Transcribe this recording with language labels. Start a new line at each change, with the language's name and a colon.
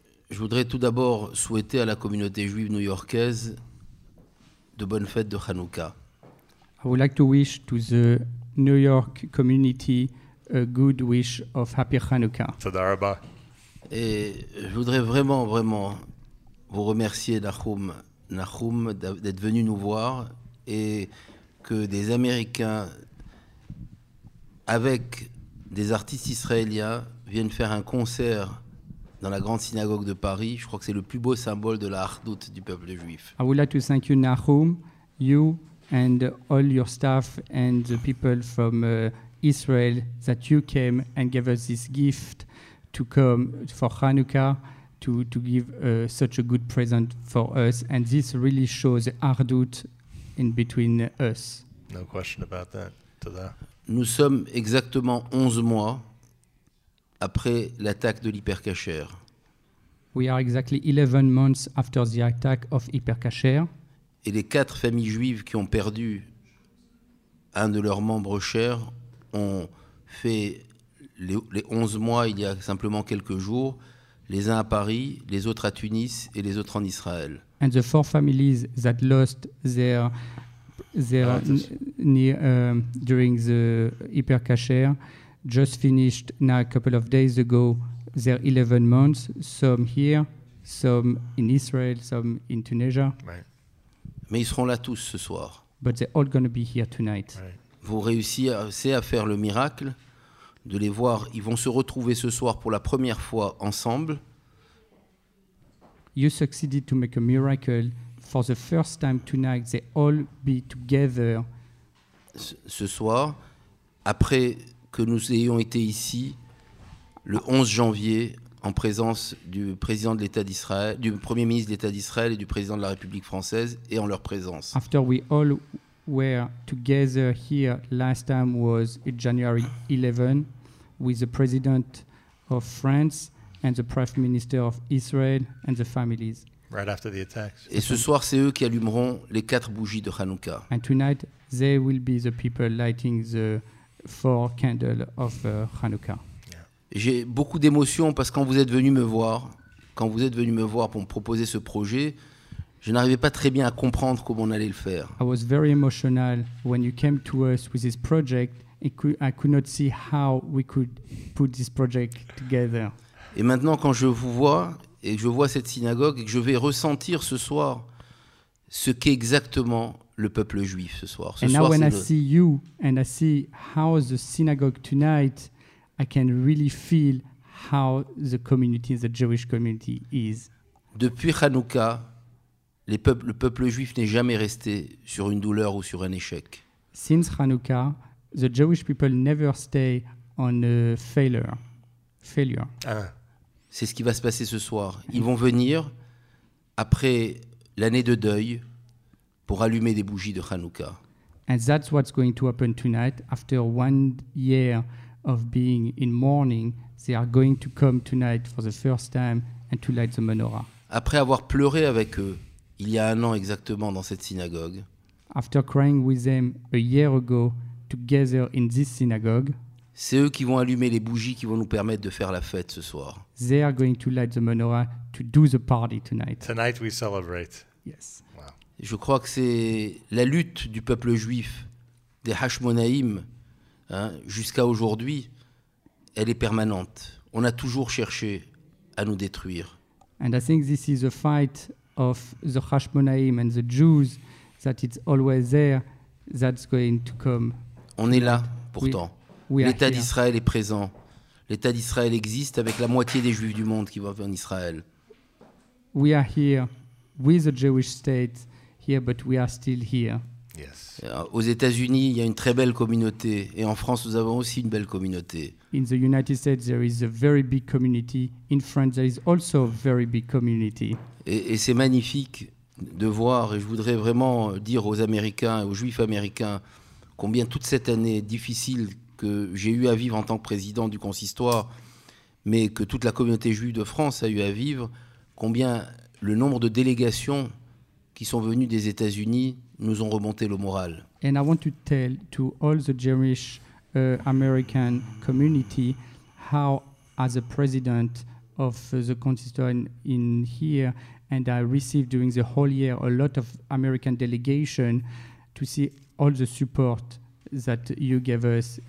French: Je voudrais tout d'abord souhaiter à la communauté juive new-yorkaise de bonnes fêtes de Hanukkah.
English: I would like to wish to the New York community a good wish of happy Hanukkah.
Hebrew: Tada rabba.
French: Et je voudrais vraiment, vraiment vous remercier, Nachum, d'être venu nous voir et que des Américains avec des artistes israéliens viennent faire un concert dans la grande synagogue de Paris. Je crois que c'est le plus beau symbole de la hardoute du peuple juif.
English: I would like to thank you, Nachum, you and all your staff and the people from Israel that you came and gave us this gift to come for Hanukkah to give such a good present for us. And this really shows the hardoute in between us. No question about that.
Hebrew: Tada.
French: Nous sommes exactement 11 mois après l'attaque de l'hypercacher.
English: We are exactly 11 months after the attack of hypercacher.
French: Et les quatre familles juives qui ont perdu un de leurs membres chers ont fait les 11 mois il y a simplement quelques jours, les uns à Paris, les autres à Tunis et les autres en Israël.
English: And the four families that lost their during the hypercacher just finished now a couple of days ago their 11 months, some here, some in Israel, some in Tunisia. Right.
French: Mais ils seront là tous ce soir.
English: But they're all going to be here tonight. Right.
French: Vous réussissez à faire le miracle de les voir. Ils vont se retrouver ce soir pour la première fois ensemble.
English: You succeeded to make a miracle. For the first time tonight, they all be together.
French: Ce soir, après que nous ayons été ici le 11 janvier en présence du président de l'État d'Israël, du Premier ministre de l'État d'Israël et du président de la République française et en leur présence.
English: After we all were together here last time was January 11 with the president of France and the prime minister of Israel and the families. Right after the attacks.
French: Et ce soir, c'est eux qui allumeront les quatre bougies de Hanouka.
English: And tonight, they will be the people lighting the four candles of Hanouka. Yeah.
French: J'ai beaucoup d'émotions parce que quand vous êtes venu me voir pour me proposer ce projet, je n'arrivais pas très bien à comprendre comment on allait le faire.
English: I was very emotional when you came to us with this project. I could not see how we could put this project together.
French: Et maintenant, quand je vous vois et que je vois cette synagogue et que je vais ressentir ce soir ce qu'est exactement le peuple juif ce soir.
English: And now when I see you and I see how the synagogue tonight, I can really feel how the community, the Jewish community is.
French: Depuis Hanouka, le peuple juif n'est jamais resté sur une douleur ou sur un échec.
English: Since Hanouka, the Jewish people never stay on a failure. Failure. Ah.
French: C'est ce qui va se passer ce soir. Ils vont venir après l'année de deuil pour allumer des bougies de Hanouka.
English: And that's what's going to happen tonight. After 1 year of being in mourning, they are going to come tonight for the first time and to light the menorah.
French: Après avoir pleuré avec eux il y a un an exactement dans cette synagogue.
English: After crying with them a year ago together in this synagogue.
French: C'est eux qui vont allumer les bougies qui vont nous permettre de faire la fête ce soir.
English: They are going to light the menorah to do the party tonight. Tonight we celebrate. Yes. Wow.
French: Je crois que c'est la lutte du peuple juif, des Hashmonaïm, hein, jusqu'à aujourd'hui, elle est permanente. On a toujours cherché à nous détruire.
English: And I think this is a fight of the Hashmonaïm and the Jews that it's always there, that's going to come.
French: On est là, pourtant. L'État d'Israël est présent. L'État d'Israël existe avec la moitié des Juifs du monde qui vivent en Israël.
English: We are here with the Jewish state here, but we are still here. Yes.
French: Aux États-Unis, il y a une très belle communauté, et en France, nous avons aussi une belle communauté.
English: In the United States, there is a very big community. In France, there is also a very big community.
French: Et c'est magnifique de voir, et je voudrais vraiment dire aux Américains et aux Juifs américains combien toute cette année difficile que j'ai eu à vivre en tant que président du consistoire, mais que toute la communauté juive de France a eu à vivre, combien le nombre de délégations qui sont venues des États-Unis nous ont remonté le moral.
English: And I want to tell to all the Jewish American community how, as a president of the consistoire in here, and I received during the whole year a lot of American delegation to see all the support that you gave us.